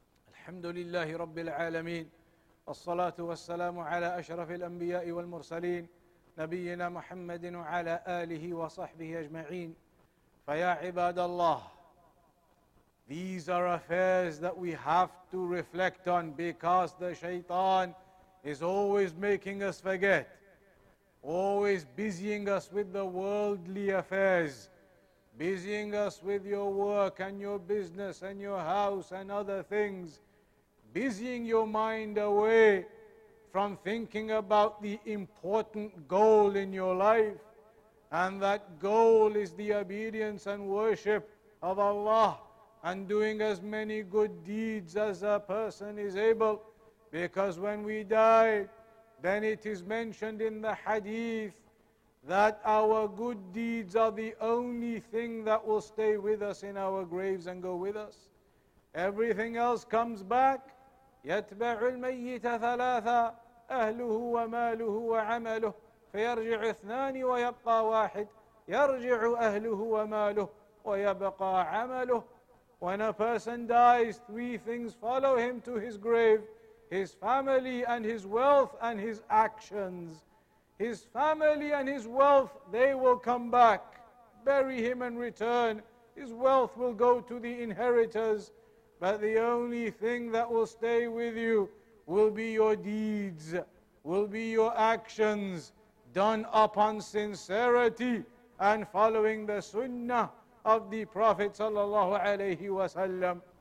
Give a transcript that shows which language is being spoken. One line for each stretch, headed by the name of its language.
Arabic: الحمد لله رب العالمين والصلاة والسلام على أشرف الأنبياء والمرسلين نبينا محمد وعلى آله وصحبه أجمعين. فيا عباد الله,
English: these are affairs that we have to reflect on, because the shaitan is always making us forget, always busying us with the worldly affairs, busying us with your work and your business and your house and other things, busying your mind away from thinking about the important goal in your life. And that goal is the obedience and worship of Allah and doing as many good deeds as a person is able. Because when we die, then it is mentioned in the hadith that our good deeds are the only thing that will stay with us in our graves and go with us. Everything else comes back.
Arabic: يتبع الميت ثلاثة أهله وماله وعمله فيرجع اثنان ويبقى واحد يرجع أهله وماله ويبقى عمله.
English: When a person dies, three things follow him to his grave: his family and his wealth and his actions. His family and his wealth, they will come back, bury him and return. His wealth will go to the inheritors. But the only thing that will stay with you will be your deeds, will be your actions done upon sincerity and following the sunnah of the Prophet sallallahu alayhi wa sallam.